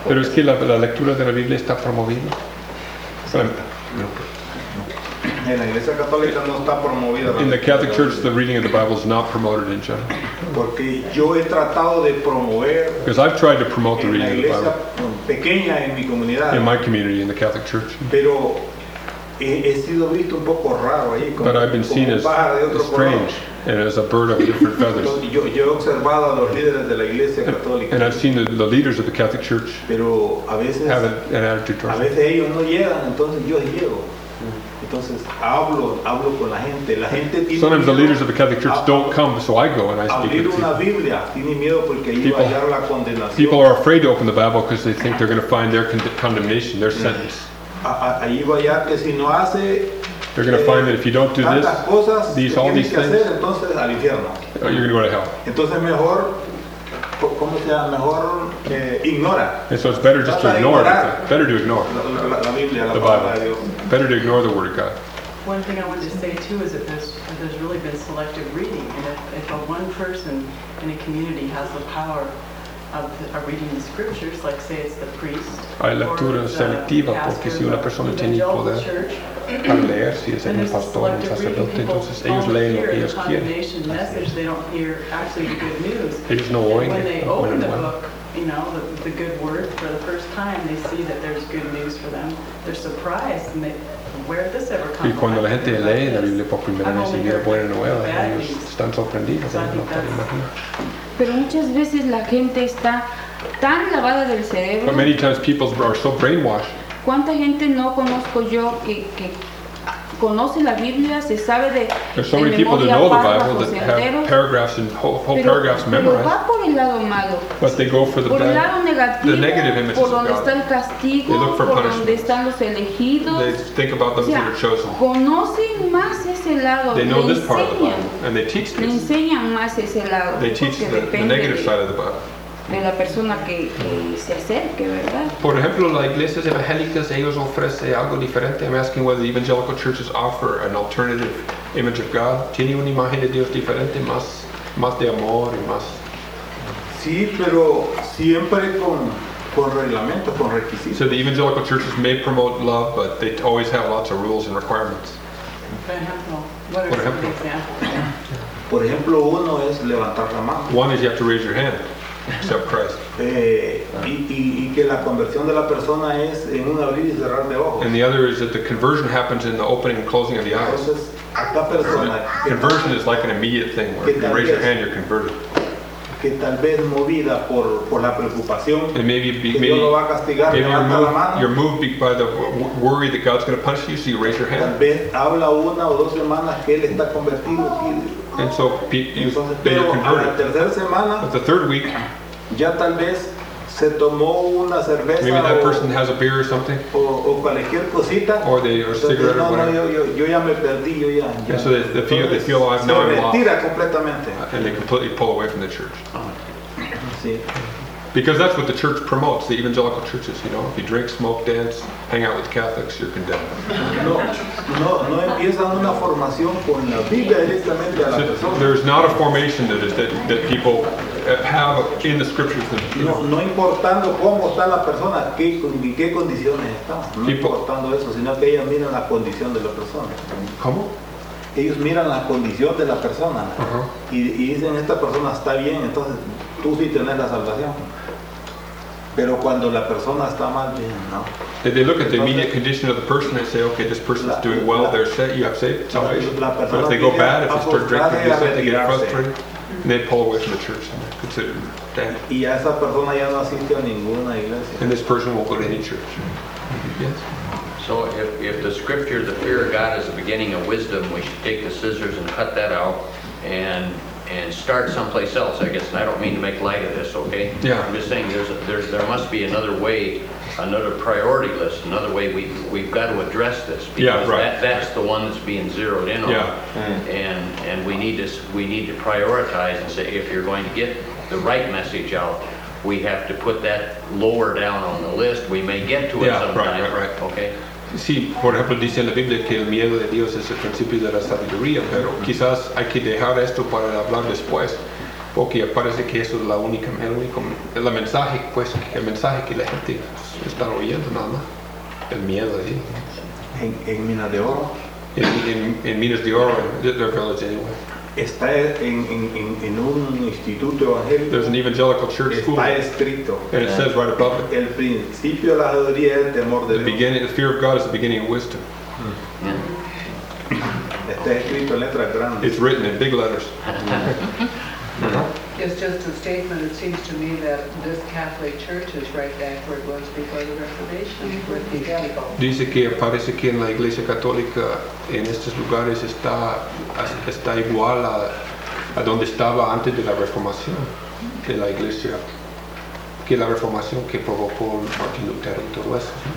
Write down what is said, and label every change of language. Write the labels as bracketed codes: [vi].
[es] Pero es que la lectura de la Biblia está promovida. Sí. En la Iglesia Católica no está promovida. [en] In the Catholic Church, the reading of the Bible is not promoted in general. [es] Porque yo he tratado de promover. [en] Because I've tried to promote the reading of the Bible. [es] Pequeña en mi comunidad. [en] In my community, in the Catholic Church. [es] Pero he sido visto un poco raro ahí. [en] But I've been seen as strange and as a bird of different feathers. [es] Yo he observado a los líderes de la Iglesia Católica. [en] And I've seen the leaders of the Catholic Church. [es] Pero a veces [en] have an attitude towards [es] a veces [en] them. [es] Ellos no llegan, entonces yo llego. Entonces hablo con la gente. La gente tiene [en] sometimes [es] miedo. [en] The leaders of the Catholic Church don't come, so I go and I speak [es] abrir una Biblia. Tiene miedo porque [en] people, [es] iba a hallar la condenación. [en] People are afraid to open the Bible because they think they're going to find their condemnation, their sentence. [es] Ahí va a hallar que si no hace [en] they're going to find that if you don't do this, [es] cosas, [en] these all these things, [es] hacer, entonces, al infierno. [en] You're going to go to hell. [es] Entonces mejor, ¿cómo sea? Mejor ignora. [en] And so it's better just to ignore. Better to ignore [es] la Biblia, [en] the Bible. Better to ignore the Word of God. One thing I wanted to say too is that there's really been selective reading, and if a one person in a community has the power of reading the scriptures, like say it's the priest, [es] hay lectura selectiva, porque si una persona tiene poder para leer, si es un pastor, un sacerdote, entonces ellos leen lo que ellos quieren. Ellos no oyen. [en] When they open the book, you know, the good word for the first time, they see that there's good news for them. They're surprised, and they, where did this ever come from? [es] Y cuando la gente lee la Biblia por primera vez y ve buena novela, ellos están sorprendidos. Pero muchas veces la gente está tan lavada del cerebro. [en] But many times people are so brainwashed. [es] ¿Cuánta gente no conozco yo que conoce la Biblia, se sabe de memoria? [en] There's so many people that know the Bible that have paragraphs and whole paragraphs memorized. [es] Pero va por el lado malo. [en] But they go for the [es] por el lado negativo, [en] the negative images [es] por donde está el castigo, por donde están los elegidos. [en] They think about those that are chosen. [es] Conocen más ese lado. [en] They know this part of the Bible and they teach this. [es] Le enseñan más ese lado. [en] They teach the negative side of the Bible. [es] De la persona que se acerque, ¿verdad? Por ejemplo, las iglesias evangélicas, ellos ofrecen algo diferente. [en] I'm asking whether the evangelical churches offer an alternative image of God. [es] ¿Tiene una imagen de Dios diferente, más de amor y más? Sí, pero siempre con reglamentos, con requisitos. [en] So the evangelical churches may promote love, but they always have lots of rules and requirements. [es] Por ejemplo, ¿cuál es un ejemplo? Por ejemplo, uno es levantar la mano. [en] One is you have to raise your hand. Except Christ. [es] Y que la conversión de la persona es en un abrir y cerrar de ojos. [en] And the other is that the conversion happens in the opening and closing of the eyes. [es] Entonces, a esta persona, [en] conversion is like an immediate thing where you raise your hand, you're converted. [es] Que tal vez movida por la preocupación. [en] And maybe [es] Dios lo va a castigar, [en] maybe [es] levanta la mano. [en] You're moved by the worry that God's going to punish you, so you raise your hand. [es] Tal vez habla una o dos semanas que él está convertido. [en] And so they are converted. [es] Semana, [en] but the third week, [es] ya tal vez se tomó una cerveza, [en] maybe that person has a beer or something, [es] o cualquier cosita, [en] or they are a cigarette or whatever. [es] Yo ya me perdí. [en] And so they feel oh, I've now lost. And they completely pull away from the church. [es] Uh-huh. Sí. [en] Because that's what the church promotes, the evangelical churches, you know. If you drink, smoke, dance, hang out with Catholics, you're condemned. [es] No empiezan una formación con la Biblia directamente a la persona. There's not a formation that people have in the scriptures. No importando cómo está la persona, qué condiciones está. No importando eso, sino que ellos miran la condición de la persona. ¿Cómo? Ellos miran la condición de la persona. Y dicen, esta persona está bien, entonces tú sí tienes la salvación. Pero cuando la persona está mal, bien, ¿no? [en] They look at the immediate condition of the person and say, okay, this person is doing well, they're saved, you have saved salvation. But if they go bad, if they start drinking, they start to get frustrated, and they pull away from the church and they're considered dead. [es] Y esa persona ya no asiste a ninguna iglesia. [en] And this person won't go to any church. Yes? So if the scripture, the fear of God, is the beginning of wisdom, we should take the scissors and cut that out and start someplace else, I guess. And I don't mean to make light of this, okay? Yeah. I'm just saying there must be another way, another priority list, another way we've got to address this. Because yeah, right. That's the one that's being zeroed in on. Yeah. And we need to prioritize and say, if you're going to get the right message out, we have to put that lower down on the list. We may get to it sometime. Right. Okay? [es] Sí, por ejemplo, dice en la Biblia que el miedo de Dios es el principio de la sabiduría, pero quizás hay que dejar esto para hablar después, porque parece que eso es la única, el mensaje que la gente está oyendo, nada más, el miedo de Dios. En minas de oro. En minas de oro, [en] their village anyway. [es] Está en un instituto evangélico. [en] There's an evangelical church school. [es] Está escrito. [en] And it says right above it. [es] El principio de la sabiduría es el temor de Dios. [en] The fear of God is the beginning of wisdom. [es] Está escrito en letras grandes. [en] It's written in big letters. It's just a statement. It seems to me that this Catholic Church is right back where it was before the Reformation, with the devil. [es] Dice que parece que en la Iglesia Católica en estos lugares está igual a donde estaba antes de la Reformación, de la Iglesia, que la Reformación que provocó Martin Luther y todo eso.